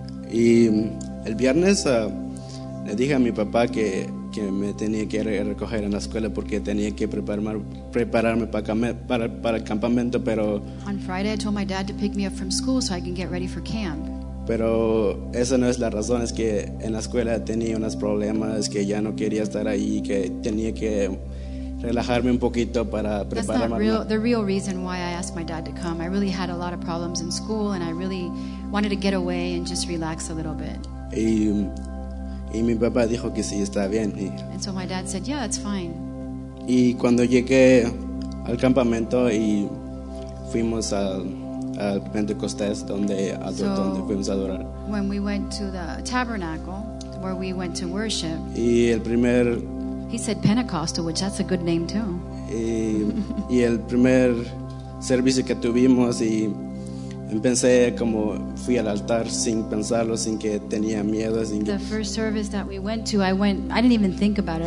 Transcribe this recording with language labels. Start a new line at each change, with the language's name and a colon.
Spanish: Y el viernes le dije a mi papá que me tenía que recoger en la escuela porque tenía que prepararme para el campamento, pero
English: on Friday I told my dad to pick me up from school so I can get ready for camp.
Spanish: Pero esa no es la razón, es que en la escuela tenía unos problemas, que ya no quería estar ahí, que tenía que relajarme un poquito para prepararme.
English: That's not real, the real reason why I asked my dad to come. I really had a lot of problems in school and I really wanted to get away and just relax a little bit.
Spanish: Y mi papá dijo que sí, está bien.
English: And so my dad said, yeah, that's fine.
Spanish: Y cuando llegué al campamento y fuimos al Pentecostés, donde fuimos a adorar.
English: When we went to the tabernacle, where we went to worship.
Spanish: Y el primer...
English: He said Pentecostal, which that's a good name too.
Spanish: Y el primer servicio que tuvimos y... Empecé como fui al altar sin pensarlo, sin que tenía miedo, sin que...
English: The first service that we went to, I didn't even think about it.